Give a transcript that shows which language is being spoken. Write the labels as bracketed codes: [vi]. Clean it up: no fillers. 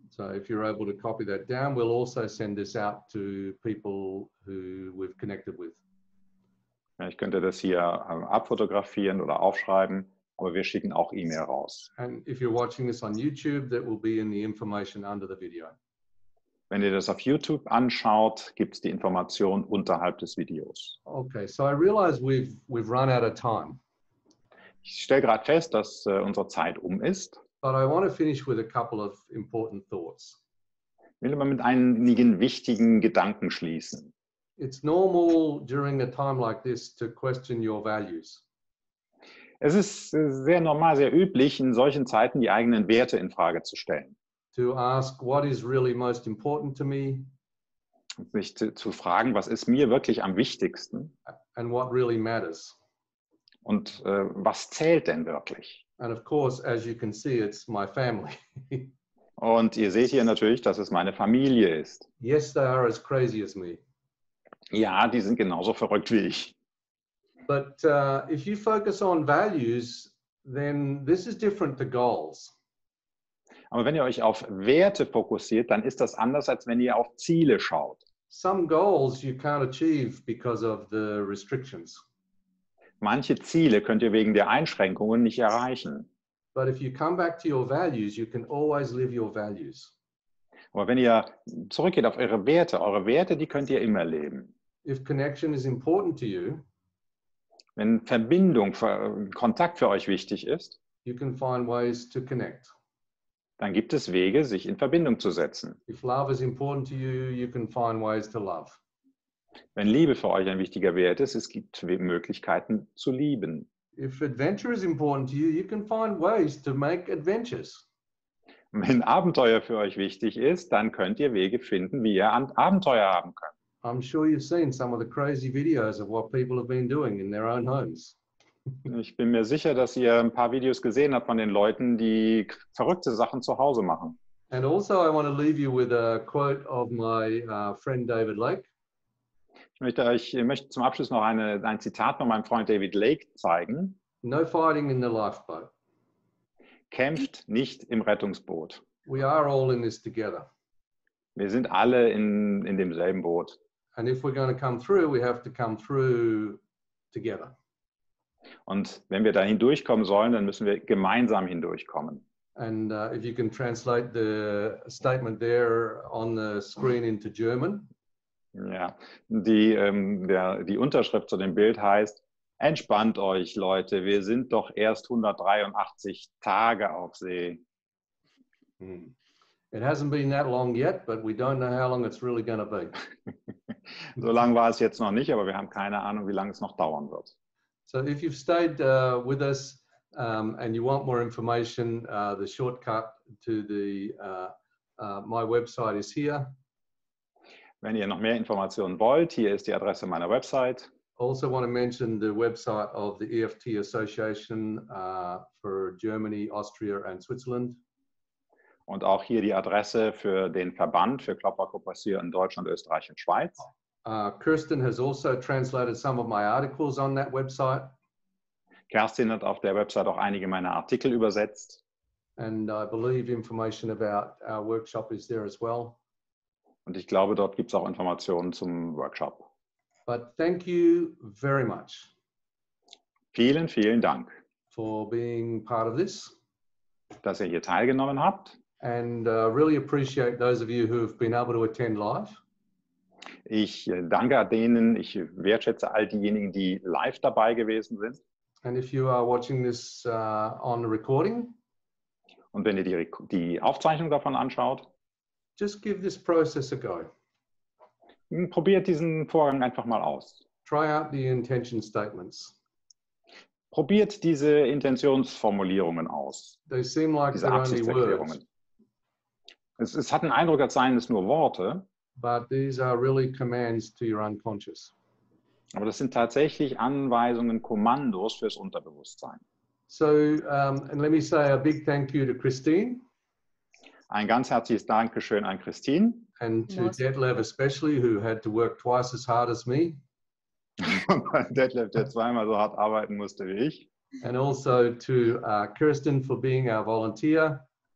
[en] So if you're able to copy that down, we'll also send this out to people who we've connected with. [de] Ja, ich könnte das hier abfotografieren oder aufschreiben. Aber wir schicken auch E-Mail raus. [en] And if you're watching this on YouTube, that will be in the information under the video. [de] Wenn ihr das auf YouTube anschaut, gibt's die Information unterhalb des Videos. [en] Okay, so I realize we've run out of time. [de] Ich stelle gerade fest, dass unsere Zeit um ist. [en] But I want to finish with a couple of important thoughts. [de] Ich will aber mit einigen wichtigen Gedanken schließen. [en] It's normal during a time like this to question your values. [de] Es ist sehr normal, sehr üblich, in solchen Zeiten die eigenen Werte in Frage zu stellen. [en] To ask, what is really most important to me? [de] Sich zu fragen, was ist mir wirklich am wichtigsten? [en] And what really matters? [de] Und was zählt denn wirklich? [en] And of course, as you can see, it's my family. [de] Und ihr seht hier natürlich, dass es meine Familie ist. [en] Yes, they are as crazy as me. [de] Ja, die sind genauso verrückt wie ich. [en] But if you focus on values, then this is different to goals. [de] Aber wenn ihr euch auf Werte fokussiert, dann ist das anders, als wenn ihr auf Ziele schaut. [en] Some goals you can't achieve because of the restrictions. [de] Manche Ziele könnt ihr wegen der Einschränkungen nicht erreichen. [en] But if you come back to your values, you can always live your values. [de] Aber wenn ihr zurückgeht auf eure Werte, die könnt ihr immer leben. [en] If connection is important to you, [de] wenn Verbindung, Kontakt für euch wichtig ist, [en] you can find ways to connect. [de] Dann gibt es Wege, sich in Verbindung zu setzen. [en] If love is important to you, you can find ways to love. [de] Wenn Liebe für euch ein wichtiger Wert ist, es gibt Möglichkeiten zu lieben. [en] If adventure is important to you, you can find ways to make adventures. [de] Wenn Abenteuer für euch wichtig ist, dann könnt ihr Wege finden, wie ihr Abenteuer haben könnt. [en] I'm sure you've seen some of the crazy videos of what people have been doing in their own homes. [de] Ich bin mir sicher, dass ihr ein paar Videos gesehen habt von den Leuten, die verrückte Sachen zu Hause machen. [en] And also I want to leave you with a quote of my friend David Lake. [de] Ich möchte zum Abschluss noch ein Zitat von meinem Freund David Lake zeigen. [en] No fighting in the lifeboat. [de] Kämpft nicht im Rettungsboot. [en] We are all in this together. [de] Wir sind alle in demselben Boot. [en] And if we're going to come through, we have to come through together. [de] Und wenn wir da hindurchkommen sollen, dann müssen wir gemeinsam hindurchkommen. [en] And if you can translate the statement there on the screen into German. [de] Ja, die Unterschrift zu dem Bild heißt: Entspannt euch, Leute, wir sind doch erst 183 Tage auf See. [en] It hasn't been that long yet, but we don't know how long it's really going to be. [de] So lang war es jetzt noch nicht, aber wir haben keine Ahnung, wie lange es noch dauern wird. [en] So if you've stayed with us and you want more information, the shortcut to the my website is here. [de] Wenn ihr noch mehr Informationen wollt, hier ist die Adresse meiner Website. [en] Also want to mention the website of the EFT Association for Germany, Austria and Switzerland. [de] Und auch hier die Adresse für den Verband für Klopferkooperation in Deutschland, Österreich und Schweiz. [en] Kirsten has also translated some of my articles on that website. [de] Kerstin hat auf der Website auch einige meiner Artikel übersetzt. [en] And I believe information about our workshop is there as well. [de] Und ich glaube, dort gibt es auch Informationen zum Workshop. [en] But thank you very much. [de] Vielen, vielen Dank. [en] For being part of this. [de] Dass ihr hier teilgenommen habt. [en] And really appreciate those of you who have been able to attend live. [de] Ich danke denen, ich wertschätze all diejenigen, die live dabei gewesen sind. [en] And if you are watching this on the recording. [de] Und wenn ihr die Aufzeichnung davon anschaut. [en] Just give this process a go. [de] Probiert diesen Vorgang einfach mal aus. [en] Try out the intention statements. [de] Probiert diese Intentionsformulierungen aus. [en] They seem like [de] diese Absichtserklärungen. Es hat den Eindruck, als seien es nur Worte. [en] But these are really commands to your unconscious. [de] Aber das sind tatsächlich Anweisungen, Kommandos fürs Unterbewusstsein. [en] So, and let me say a big thank you to Christine. [de] Ein ganz herzliches Dankeschön an Christine. [en] And to Detlef especially, who had to work twice as hard as me. [de] Detlef, der zweimal so hart arbeiten musste wie ich. [en] And also to Kirsten for being our volunteer.